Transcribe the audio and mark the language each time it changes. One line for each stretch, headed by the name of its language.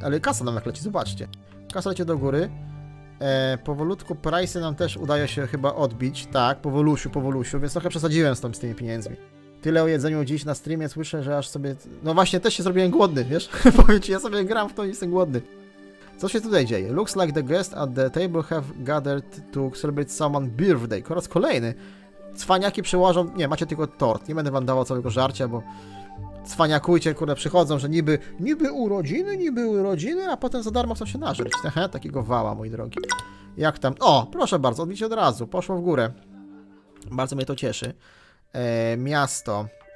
Polish: Ale kasa nam jak leci, zobaczcie. Kasa leci do góry. Powolutku price'y nam też udaje się chyba odbić. Tak, powolusiu, więc trochę przesadziłem z tymi pieniędzmi. Tyle o jedzeniu dziś na streamie, słyszę, że aż sobie... No właśnie, też się zrobiłem głodny, wiesz? Powiem ci, ja sobie gram w to i jestem głodny. Co się tutaj dzieje?
English: Looks like the guests at the table have gathered to celebrate someone's birthday.
Polish: Po raz kolejny. Cwaniaki przyłożą... Nie, macie tylko tort. Nie będę wam dawał całego żarcia, bo... Cwaniakujcie, kurde, przychodzą, że niby urodziny, a potem za darmo chcą się nażyć. Takiego wała, moi drogi. Jak tam? O, proszę bardzo, odbicie od razu, poszło w górę. Bardzo mnie to cieszy. Miasto.